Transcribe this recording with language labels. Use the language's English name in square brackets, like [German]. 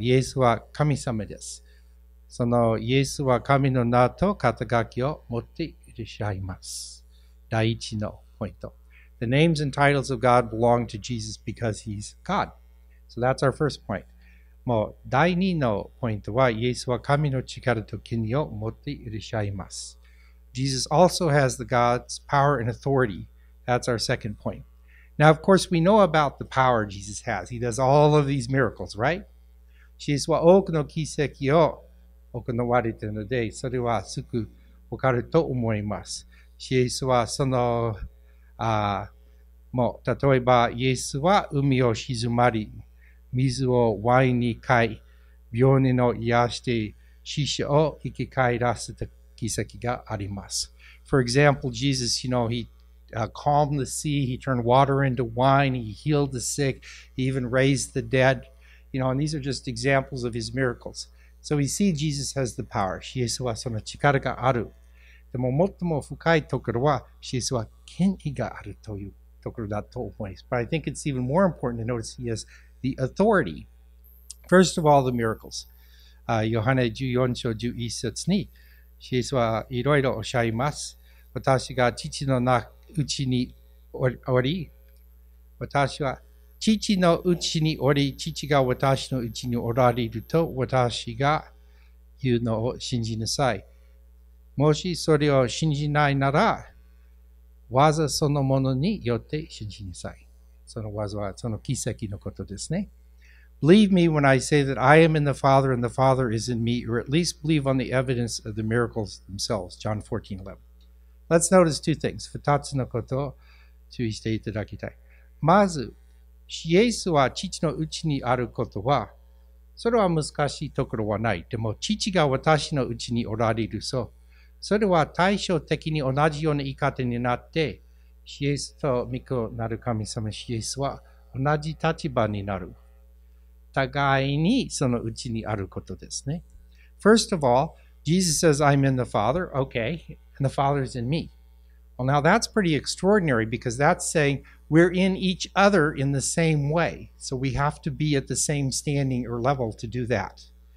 [Japanese] イエスは神様です。そのイエスは神の名と肩書きを持っていらっしゃいます。第一のポイント。 [English] The names and titles of God belong to Jesus because he's God. So that's our first point. [Japanese] もう第二のポイントは、イエスは神の力と権威を持っていらっしゃいます。 [English] Jesus also has the God's power and authority. That's our second point. Now, of course, we know about the power Jesus has. He does all of these miracles, right? [Japanese] イエスは多くの奇跡を行われているので、それはすぐわかると思います。イエスはその、もう例えばイエスは海を沈まり、水をワインに変え、病人を癒して、死者を生き返らせた奇跡があります。 [English] For example, Jesus, you know, he calmed the sea, he turned water into wine, he healed the sick, he even raised the dead. You know, and these are just examples of his miracles. So we see Jesus has the power. [Japanese] イエスはその力がある。でも最も深いところは、イエスは権威があるというところだと思います。 [English] But I think it's even more important to notice he has the authority. First of all, the miracles. [Japanese] ヨハネ14章11節に、イエスはいろいろおっしゃいます。私が父の内におり、私は父の内におり、父が私の内におられると私が言うのを信じなさい。もしそれを信じないなら、技そのものによって信じなさい。その技はその奇跡のことですね。 [English] Believe me when I say that I am in the Father and the Father is in me, or at least believe on the evidence of the miracles themselves. John 14:11. Let's notice two things. [Japanese] 2つのことを注意していただきたい。まず、イエスは父のうちにあることは、それは難しいところはない。でも、父が私のうちにおられる、そう。それは対照的に同じような言い方になって、イエスと御子なる神様、イエスは同じ立場になる。互いにそのうちにあることですね。 [English] First of all, Jesus says, I'm in the Father. Okay. And the Father is in me. Well, now that's pretty extraordinary because that's saying we're in each other in the same way. So we have to be at the same standing or level to do that.